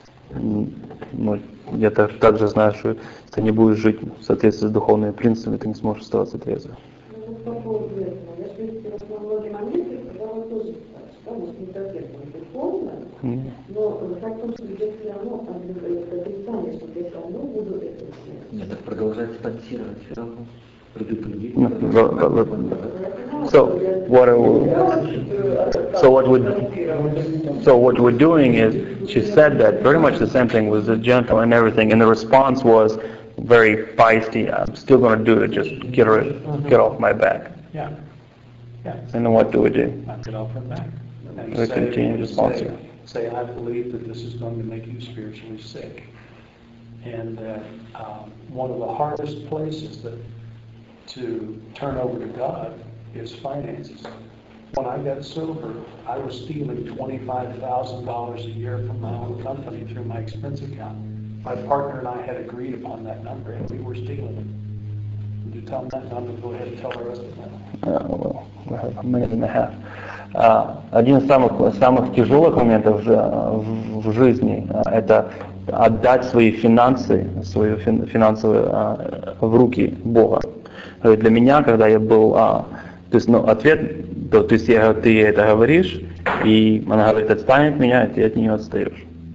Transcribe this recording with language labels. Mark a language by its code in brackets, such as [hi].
[ru] Но я также знаю, что ты не будешь жить в соответствии с духовными принципами, ты не сможешь оставаться трезвым. Ну, по поводу этого, я же говорю, что на многие моменты, когда он тоже, там, не так верно, духовно, но так, что идет все равно, там, это отрицание, что я все равно буду это делать. Нет, так продолжать спонсировать, все равно. [en] So what we're doing is, she said that pretty much the same thing was the gentle and everything, and the response was very feisty. I'm still going to do it. Just get off my back. Yeah. And then what do we do? Get off her back. We continue to sponsor. Say, I believe that this is going to make you spiritually sick, and that one of the hardest places that to turn over to God is finances. When I got sober, I was stealing $25,000 a year from my own company through my expense account. My partner and I had agreed upon that number, and we were stealing it. Would you tell them that number? Go ahead and tell the rest of them. Well, we have a minute and a half. [ru] Один из самых тяжелых моментов в жизни – это отдать свои финансы, свою финансовую в руки Бога. Для меня, когда я был, то есть, ну, ответ, то есть, ты ей это говоришь, и она говорит, отстанет меня, и ты от нее отстаешь.